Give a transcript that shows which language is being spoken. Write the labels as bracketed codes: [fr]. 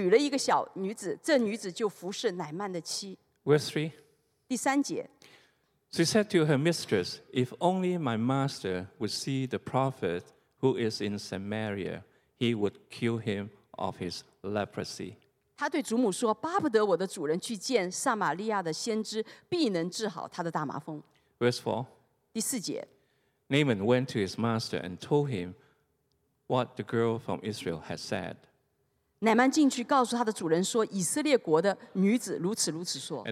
[zh] 我们继续读第二节，先前亚兰人成群的出去，从以色列国掳了一个小女子，这女子就服侍乃曼的妻。 [en] Verse 3. [zh] 第三节。 [en] She said to her mistress, if only my master would see the prophet who is in Samaria, he would cure him of his leprosy. [zh] 他对祖母说，巴不得我的主人去见撒玛利亚的先知，必能治好他的大麻风。 [en] Verse 4. [zh] 第四节, [en] Naaman went to his master and told him what the girl from Israel had said. [zh] 乃曼进去告诉他的主人说，以色列国的女子如此如此说。 [en] And